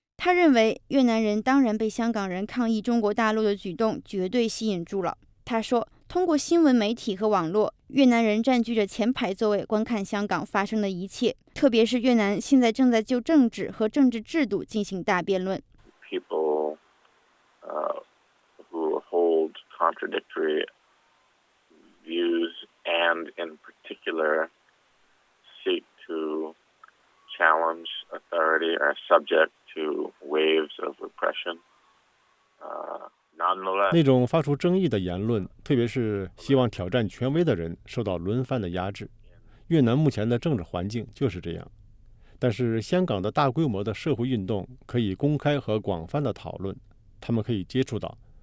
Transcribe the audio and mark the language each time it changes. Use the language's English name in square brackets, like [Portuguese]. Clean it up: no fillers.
[Chinese] 他认为越南人当然被香港人抗议中国大陆的举动绝对吸引住了。他说，通过新闻媒体和网络，越南人占据着前排座位观看香港发生的一切，特别是越南现在正在就政治和政治制度进行大辩论。 [English] people who hold contradictory views and in particular seek to challenge authority are subject to waves of repression. [Chinese] 那种发出争议的言论，特别是希望挑战权威的人受到轮番的压制。越南目前的政治环境就是这样。但是香港的大规模的社会运动可以公开和广泛的讨论，他们可以接触到。